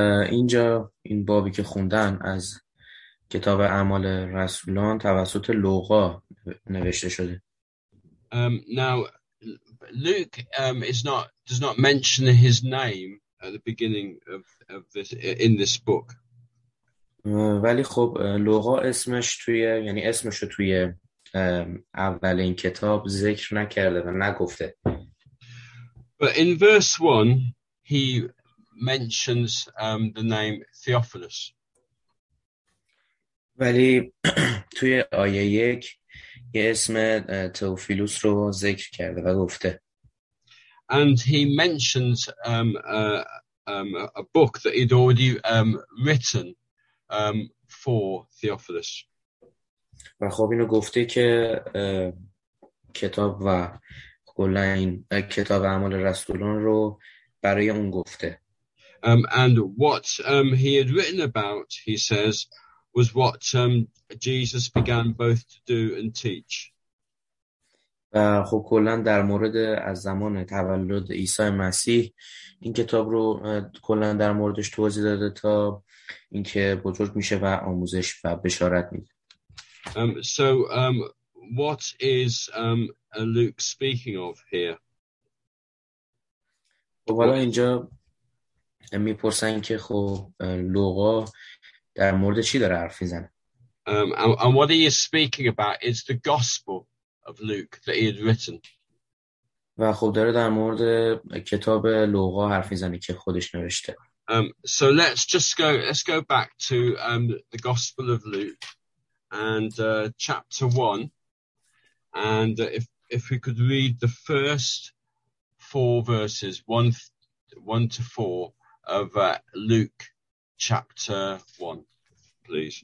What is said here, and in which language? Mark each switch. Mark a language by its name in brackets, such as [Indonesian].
[Persian] اینجا این بابی که خوندن از کتاب اعمال رسولان توسط لوقا نوشته شده. [English] Now Luke does not mention his name at the beginning of this in this book. [Persian] ولی خب لوقا اسمش توی یعنی اسمش رو توی اول این کتاب ذکر نکرده و نگفته. [English] But in verse 1 he mentions the name Theophilus. [Persian] ولی توی آیه 1 یه اسم تئوفیلوس رو ذکر کرده و گفته. [English] And he mentions a book that he'd already written for Theophilus. [Persian] و خب اینو گفته که کتاب و کلاین کتاب اعمال رسولان رو برای اون گفته. [English] And what he had written about, he says, was what Jesus began both to do and teach. [Persian] خب کلا در مورد از زمان تولد عیسی مسیح این کتاب رو کلا در موردش توضیح داده تا اینکه بزرگ میشه و آموزش و بشارت میده. [English] So what is Luke speaking of here? [Persian] خب حالا اینجا میپرسن که خب لوقا در مورد چی داره حرف میزنه. [English] And what he is speaking about is the gospel of Luke that he had written. [Persian] و خب داره در مورد کتاب لوقا حرف میزنه که خودش نوشته. [English] So let's go back to the gospel of Luke and chapter 1, and if we could read the first four verses, 1 to 4 of Luke chapter 1, please.